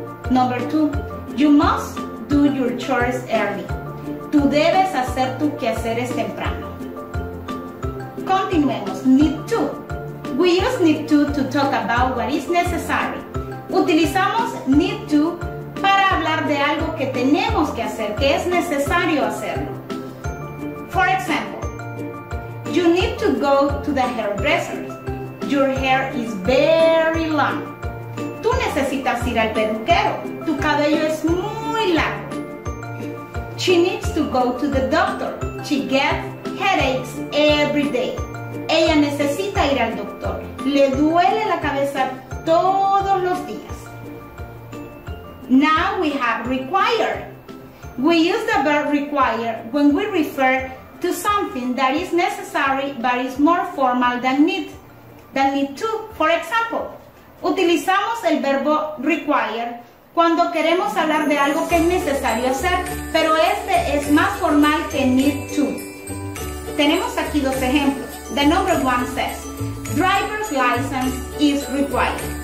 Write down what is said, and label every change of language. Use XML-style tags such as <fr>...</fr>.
<en>Number two, you must do your chores early.</en> <es>Tú debes hacer tus quehaceres temprano. Continuemos.</es> <en>Need to. We use need to talk about what is necessary.</en> <es>Utilizamos need to para hablar de algo que tenemos que hacer, que es necesario hacerlo.</es> <en>For example, you need to go to the hairdresser. Your hair is very long.</en> <es>Tú necesitas ir al peluquero. Tu cabello es muy largo.</es> <en>She needs to go to the doctor. She gets headaches every day.</en> <es>Ella necesita ir al doctor. Le duele la cabeza todos los días.</es> <en>Now we have require. We use the verb require when we refer to something that is necessary but is more formal than need to. For example,</en> <es>utilizamos el verbo require cuando queremos hablar de algo que es necesario hacer, pero este es más formal que need to. Tenemos aquí dos ejemplos.</es> <en>The number one says, driver's license is required.</en>